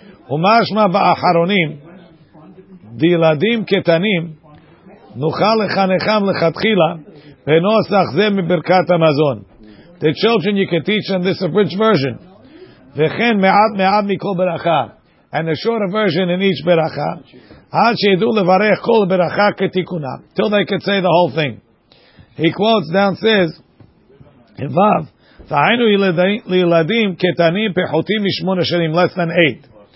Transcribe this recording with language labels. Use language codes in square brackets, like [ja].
[he] ומשמע באחרונים, דילדים קטנים, נוכל לחנכם לכתחילה, בנוסח זה מברכת המזון. [en] The children you can teach on this abridged version. [he] וכן מעט מעט מכל ברכה. [en] And a shorter version in each ברכה. [he] עד שידעו לברך כל ברכה כתיקונה. [en] Till they could say the whole thing. He quotes down, says, in Vav, [he] תהיינו לילדים קטנים פחותים משמונה שנים, [en] less than 8.